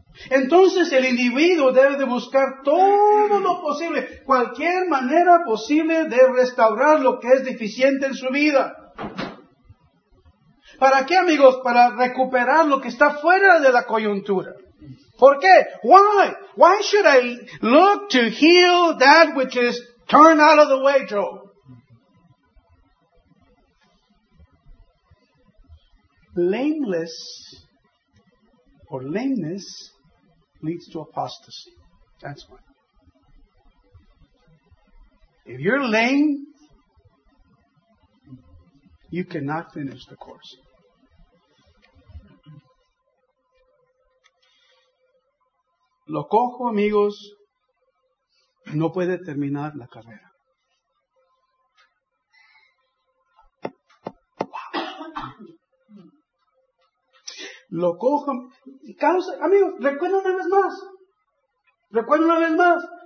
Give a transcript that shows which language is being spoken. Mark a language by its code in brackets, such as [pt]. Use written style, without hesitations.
[es] Entonces el individuo debe de buscar todo lo posible, cualquier manera posible de restaurar lo que es deficiente en su vida. ¿Para qué, amigos? Para recuperar lo que está fuera de la coyuntura. ¿Por qué? [en] Why? Why should I look to heal that which is turned out of the way, Joe? Blameless or lameness leads to apostasy. That's why. If you're lame, you cannot finish the course. [es] Lo cojo, amigos, no puede terminar la carrera. Lo cojo. Causa, amigos, recuerden una vez más.